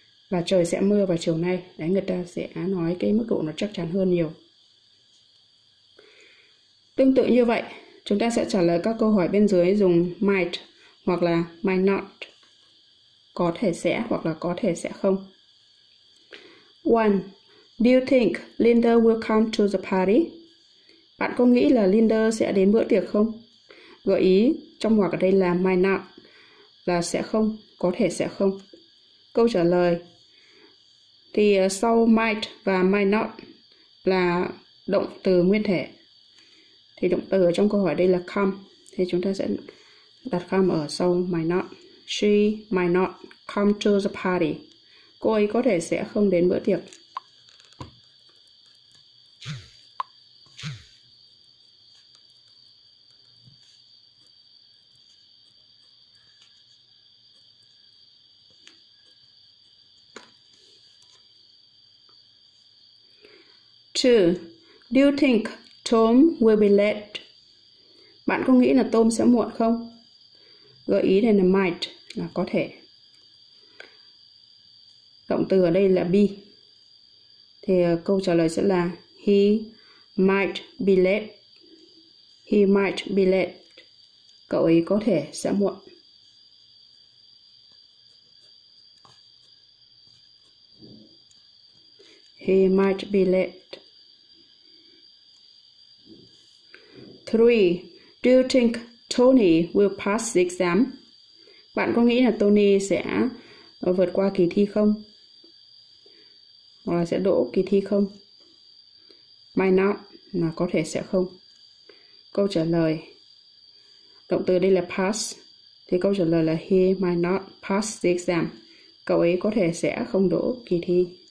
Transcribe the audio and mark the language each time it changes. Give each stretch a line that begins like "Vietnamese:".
Vietnamese: Và trời sẽ mưa vào chiều nay. Đấy, người ta sẽ nói cái mức độ nó chắc chắn hơn nhiều. Tương tự như vậy, chúng ta sẽ trả lời các câu hỏi bên dưới dùng might hoặc là might not. Có thể sẽ hoặc là có thể sẽ không. 1.
English: Do you think Linda will come to the party?
Vietnamese: Bạn có nghĩ là Linda sẽ đến bữa tiệc không? Gợi ý trong hoặc ở đây là might not, là sẽ không, có thể sẽ không. Câu trả lời thì sau might và might not là động từ nguyên thể. Thì động từ ở trong câu hỏi đây là come. Thì chúng ta sẽ đặt come ở sau might not.
English: She might not come to the party.
Vietnamese: Cô ấy có thể sẽ không đến bữa tiệc.
English: Two, do you think Tom will be late?
Vietnamese: Bạn có nghĩ là Tom sẽ muộn không? Gợi ý này là might, là có thể. Động từ ở đây là be. Thì câu trả lời sẽ là
English: he might be late. He might be late.
Vietnamese: Cậu ấy có thể sẽ muộn.
English: He might be late. 3. Do you think Tony will pass the exam?
Vietnamese: Bạn có nghĩ là Tony sẽ vượt qua kỳ thi không? Hoặc là sẽ đỗ kỳ thi không? Might not, là có thể sẽ không. Câu trả lời, động từ đây là pass. Thì câu trả lời là
English: he might not pass the exam.
Vietnamese: Cậu ấy có thể sẽ không đỗ kỳ thi.